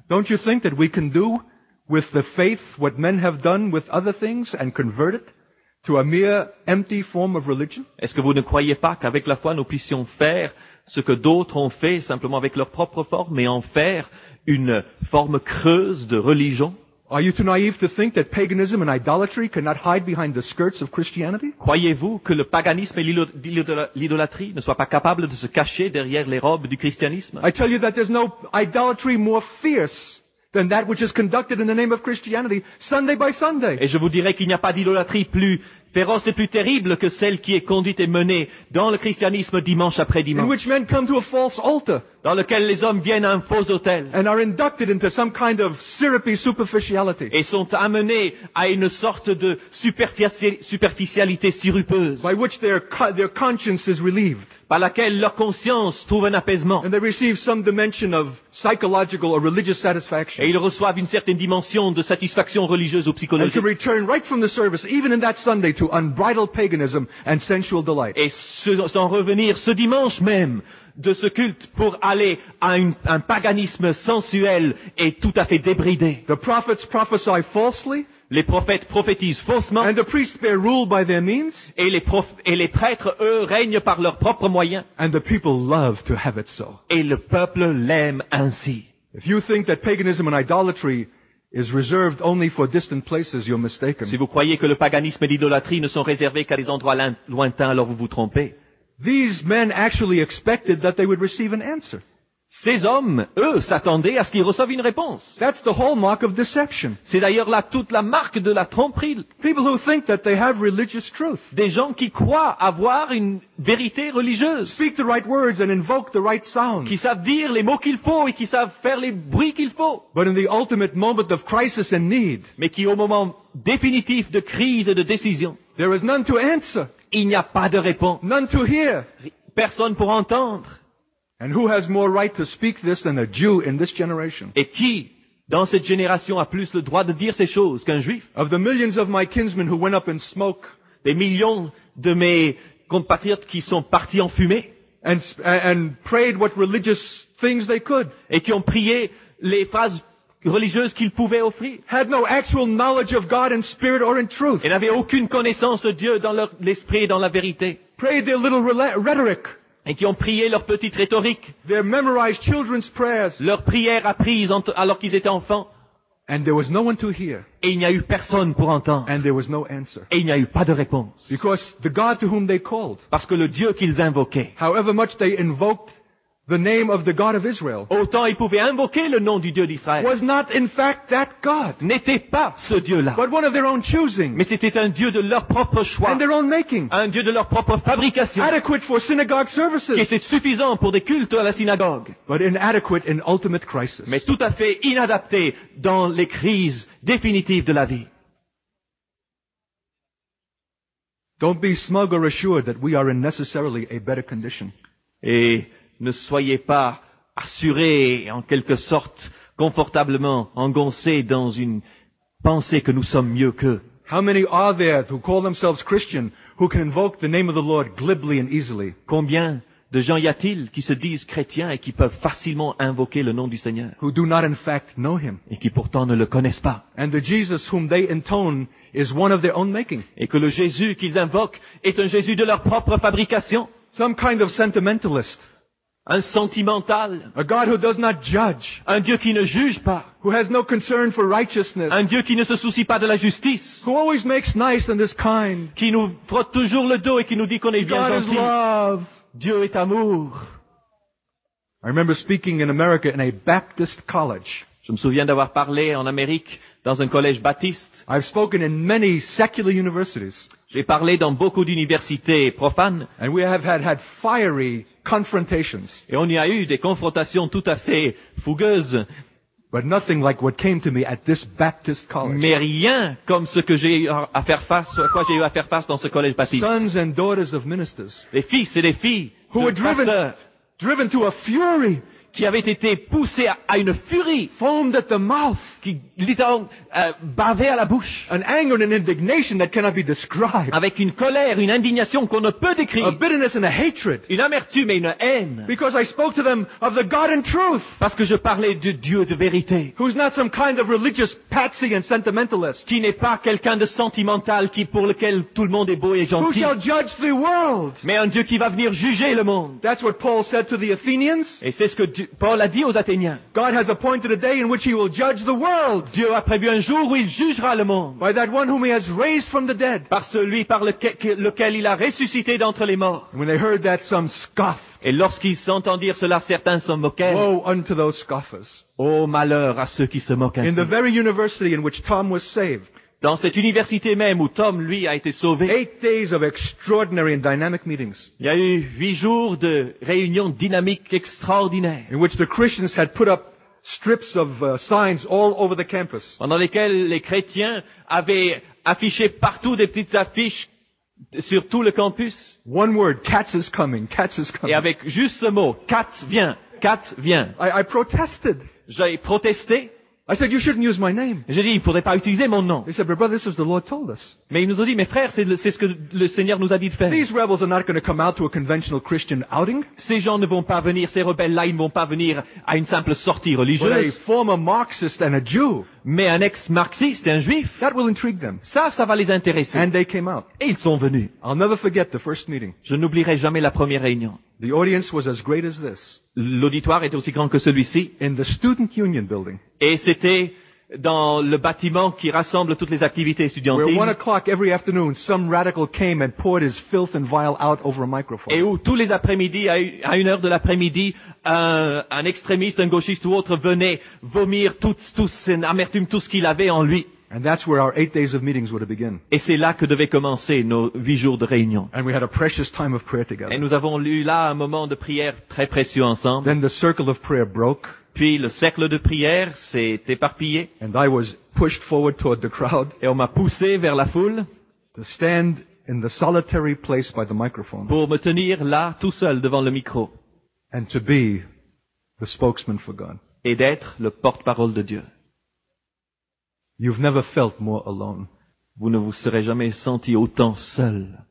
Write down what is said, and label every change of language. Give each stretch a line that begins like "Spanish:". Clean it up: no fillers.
English: Don't you think that we can do with the faith what men have done with other things and convert it to a mere empty form of religion?
French: Est-ce que vous ne croyez pas qu'avec la foi nous puissions faire ce que d'autres ont fait simplement avec leur propre forme et en faire une forme creuse de religion?
English: Are you too naive to think that paganism and idolatry cannot hide behind the skirts of Christianity?
French: Croyez-vous que le paganisme et l'idolâtrie ne soient pas capables de se cacher derrière les robes du christianisme?
English: I tell you that there's no idolatry more fierce than that which is conducted in the name of Christianity, Sunday by Sunday.
French: Et je vous dirai qu'il n'y a pas d'idolâtrie plus féroce et plus terrible que celle qui est conduite et menée dans le christianisme dimanche après dimanche.
English: In which men come to a false altar.
French: Dans lequel les hommes viennent à un faux autel.
English: And are inducted into some kind of syrupy superficiality.
French: Et sont amenés à une sorte de superficialité sirupeuse.
English: By which their conscience is relieved.
French: Par laquelle leur conscience trouve un apaisement.
English: And they receive some dimension of psychological or religious satisfaction.
French: Et ils reçoivent une certaine dimension de satisfaction religieuse ou psychologique.
English: And to return right from the service, even in that Sunday, to unbridled paganism and sensual delight.
French: Et s'en revenir ce dimanche même de ce culte pour aller à un paganisme sensuel et tout à fait débridé.
English: The prophets prophesy falsely.
French: Les prophètes prophétisent faussement.
English: And the priests bear rule by their means.
French: Et les prêtres, eux, règnent par leurs propres moyens.
English: And the people love to have it so.
French: Et le peuple l'aime ainsi.
English: If you think that paganism and idolatry is reserved only for distant places, you're mistaken.
French: Si vous croyez que le paganisme et l'idolâtrie ne sont réservés qu'à des endroits lointains, alors vous vous trompez.
English: These men actually expected that they would receive an answer.
French: Ces hommes, eux, s'attendaient à ce qu'ils reçoivent une réponse.
English: That's the hallmark of deception.
French: C'est d'ailleurs là toute la marque de la tromperie.
English: People who think that they have religious truth.
French: Des gens qui croient avoir une vérité religieuse.
English: Speak the right words and invoke the right sounds.
French: Qui savent dire les mots qu'il faut et qui savent faire les bruits qu'il faut.
English: But in the ultimate moment of crisis and need.
French: Mais qui au moment définitif de crise et de décision.
English: There is none to answer.
French: Il n'y a pas de réponse.
English: None to hear.
French: Personne pour entendre.
English: And who has more right to speak this than a Jew in this generation?
French: Et qui, dans cette génération, a plus le droit de dire ces choses qu'un Juif?
English: Of the millions of my kinsmen who went up in smoke.
French: Des millions de mes compatriotes qui sont partis en fumée.
English: And prayed what religious things they could.
French: Et qui ont prié les phrases religieuses qu'ils pouvaient offrir.
English: Had no actual knowledge of God in spirit or in truth.
French: Et n'avaient aucune connaissance de Dieu dans l'esprit et dans la vérité.
English: Prayed their little rhetoric.
French: Et qui ont prié leur petite rhétorique.
English: Their memorized children's prayers.
French: Leurs prières apprises alors qu'ils étaient enfants.
English: And there was no one to hear.
French: Et il n'y a eu personne pour entendre.
English: And there was no answer.
French: Et il n'y a eu pas de réponse.
English: Because the God to whom they called,
French: parce que le Dieu qu'ils invoquaient,
English: however much they invoked the name of the God of Israel,
French: autant ils pouvaient invoquer le nom du Dieu d'Israël,
English: was not in fact that God,
French: n'était pas ce Dieu-là,
English: but one of their own choosing,
French: mais c'était un Dieu de leur propre choix,
English: and their own making,
French: un Dieu de leur propre fabrication,
English: adequate for synagogue services,
French: qui était suffisant pour des cultes à la synagogue,
English: but inadequate in ultimate crisis,
French: mais tout à fait inadapté dans les crises définitives de la vie.
English: Don't be smug or assured that we are in necessarily a better condition.
French: Et ne soyez pas assurés, en quelque sorte, confortablement engoncés dans une pensée que nous sommes mieux qu'eux.
English: How many are there who call themselves Christian who can invoke the name of the Lord glibly and easily?
French: Combien de gens y a-t-il qui se disent chrétiens et qui peuvent facilement invoquer le nom du Seigneur?
English: Who do not in fact know him.
French: Et qui pourtant ne le connaissent pas.
English: And the Jesus whom they intone is one of their own making.
French: Et que le Jésus qu'ils invoquent est un Jésus de leur propre fabrication.
English: Some kind of sentimentalist.
French: Un sentimental.
English: A God who does not judge.
French: Un Dieu qui ne juge pas.
English: Who has no concern for righteousness.
French: Un Dieu qui ne se soucie pas de la justice.
English: Who always makes nice and is kind.
French: Qui nous frotte toujours le dos et qui nous dit qu'on est bien gentil.
English: God is love.
French: Dieu est amour.
English: I remember speaking in America in a Baptist college.
French: Je me souviens d'avoir parlé en Amérique dans un collège baptiste.
English: I've spoken in many secular universities.
French: J'ai parlé dans beaucoup d'universités profanes.
English: And we have had fiery confrontations.
French: Et on y a eu des confrontations tout à fait fougueuses.
English: But nothing like what came to me at this Baptist college.
French: Mais rien comme ce que j'ai eu à faire face, à quoi j'ai eu à faire face dans ce collège baptiste.
English: Sons and daughters of ministers.
French: Des fils et des filles
English: who were driven to a fury.
French: Qui avaient été poussés à une furie.
English: Foamed at the mouth.
French: Qui littéralement bavaient à la bouche.
English: An anger and an indignation that cannot be described.
French: Avec une colère, une indignation qu'on ne peut décrire.
English: A bitterness and a hatred.
French: Une amertume et une haine.
English: Because I spoke to them of the God and truth.
French: Parce que je parlais du Dieu de vérité.
English: Who's not some kind of religious patsy and sentimentalist.
French: Qui n'est pas quelqu'un de sentimental qui pour lequel tout le monde est beau et gentil.
English: Who shall judge the world.
French: Mais un Dieu qui va venir juger le monde.
English: That's what Paul said to the Athenians.
French: Et c'est ce que Paul a dit aux Athéniens.
English: God has appointed a day in which he will judge the world.
French: Dieu a prévu un jour où il jugera le monde.
English: By that one whom he has raised from the dead.
French: Par celui par lequel il a ressuscité d'entre les morts.
English: And when they heard that, some scoffed.
French: Et lorsqu'ils entendirent cela, certains se moquèrent.
English: Woe unto those scoffers.
French: Oh malheur à ceux qui se moquent ainsi.
English: In the very university in which Tom was saved.
French: Dans cette université même où Tom, lui, a été sauvé.
English: 8 days of extraordinary and dynamic meetings.
French: Il y a eu 8 jours de réunions dynamiques extraordinaires.
English: In which the Christians had put up strips of signs all over the campus.
French: Pendant lesquels les chrétiens avaient affiché partout des petites affiches sur tout le campus.
English: One word, cats is coming, cats is coming.
French: Et avec juste ce mot, cats vient, cats vient.
English: I protested.
French: J'ai protesté.
English: I said you shouldn't use my name.
French: J'ai dit, il ne faudrait pas utiliser mon nom.
English: They said, but brother, this is the Lord told us.
French: Mais ils nous ont dit, mes frères, c'est ce que le Seigneur nous a dit de faire.
English: These rebels are not going to come out to a conventional Christian outing.
French: Ces gens ne vont pas venir, ces rebelles-là, ils ne vont pas venir à une simple sortie religieuse.
English: But a former Marxist and a Jew.
French: Mais un ex-marxiste et un juif.
English: That will intrigue them.
French: Ça va les intéresser.
English: And they came out.
French: Et ils sont venus.
English: I'll never forget the first meeting.
French: Je n'oublierai jamais la première réunion.
English: The audience was as great as this.
French: L'auditoire était aussi grand que celui-ci.
English: In the student union building.
French: Et c'était dans le bâtiment qui rassemble toutes les activités étudiantines.
English: Where 1 o'clock every afternoon, some radical came and poured his filth and vile out over a microphone.
French: Et où tous les après-midis, à 1 heure de l'après-midi, un extrémiste, un gauchiste ou autre venait vomir tout cette amertume, tout ce qu'il avait en lui.
English: And that's where our 8 days of meetings were to begin.
French: Et c'est là que devaient commencer nos 8 jours de réunion.
English: And we had a precious time of prayer together.
French: Et nous avons eu là un moment de prière très précieux ensemble.
English: Then the circle of prayer broke.
French: Puis le cercle de prière s'est éparpillé.
English: And I was pushed forward toward the crowd.
French: Et on m'a poussé vers la foule.
English: To stand in the solitary place by the microphone.
French: Pour me tenir là tout seul devant le micro.
English: And to be the spokesman for God.
French: Et d'être le porte-parole de Dieu.
English: You've never felt more alone.
French: Vous ne vous serez jamais senti autant seul.